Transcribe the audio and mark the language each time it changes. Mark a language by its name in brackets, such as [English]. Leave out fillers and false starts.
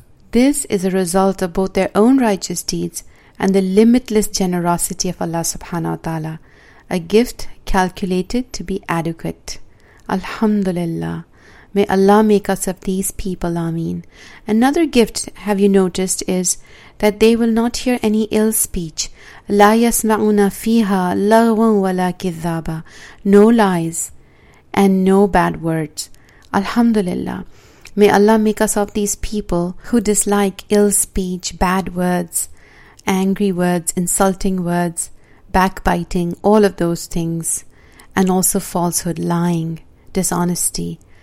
[English] This is a result of both their own righteous deeds and the limitless generosity of Allah subhanahu wa ta'ala, a gift calculated to be adequate. Alhamdulillah. May Allah make us of these people. Ameen. Another gift, have you noticed, is that they will not hear any ill speech. [Arabic] لا يسمعون فيها لغوا ولا كذابا. [English] No lies and no bad words. Alhamdulillah. May Allah make us of these people who dislike ill speech, bad words, angry words, insulting words, backbiting, all of those things, and also falsehood, lying, dishonesty.